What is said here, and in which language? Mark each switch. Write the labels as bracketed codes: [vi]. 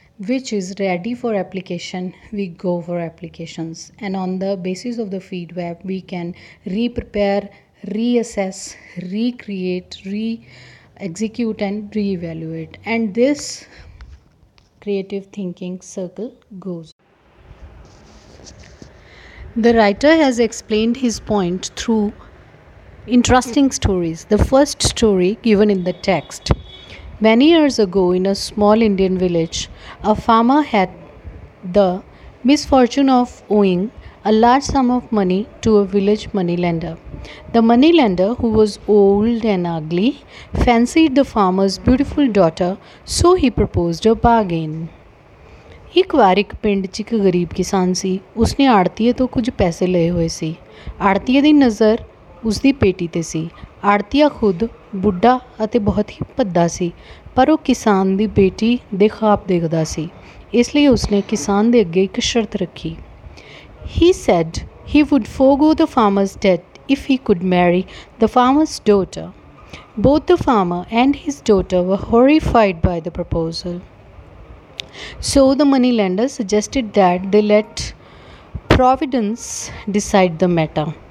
[en] which is ready for application, we go for applications, and on the basis of the feedback we can re-prepare, reassess, recreate, re-execute and re-evaluate, and this creative thinking circle goes. The writer has explained his point through interesting stories. The first story given in the text. Many years ago, in a small Indian village, a farmer had the misfortune of owing a large sum of money to a village moneylender. The moneylender, who was old and ugly, fancied the farmer's beautiful daughter, so he proposed a bargain. [pa] ਇੱਕ ਵਾਰ ਇੱਕ ਪਿੰਡ 'ਚ ਇੱਕ ਗਰੀਬ ਕਿਸਾਨ ਸੀ। ਉਸਨੇ ਆੜਤੀਏ ਤੋਂ ਕੁਝ ਪੈਸੇ ਲਏ ਹੋਏ ਸੀ। ਆੜਤੀਏ ਦੀ ਨਜ਼ਰ ਉਸਦੀ ਪੇਟੀ 'ਤੇ ਸੀ। ਆੜਤੀਆ ਖੁਦ ਬੁੱਢਾ ਅਤੇ ਬਹੁਤ ਹੀ ਭੱਦਾ ਸੀ, ਪਰ ਉਹ ਕਿਸਾਨ ਦੀ ਬੇਟੀ ਦੇ ਖਾਬ ਦੇਖਦਾ ਸੀ। ਇਸ ਲਈ ਉਸਨੇ ਕਿਸਾਨ ਦੇ ਅੱਗੇ ਇੱਕ ਸ਼ਰਤ ਰੱਖੀ। [en] He said he would forgo the farmer's debt if he could marry the farmer's daughter. Both the farmer and his daughter were horrified by the proposal. So the moneylender suggested that they let providence decide the matter.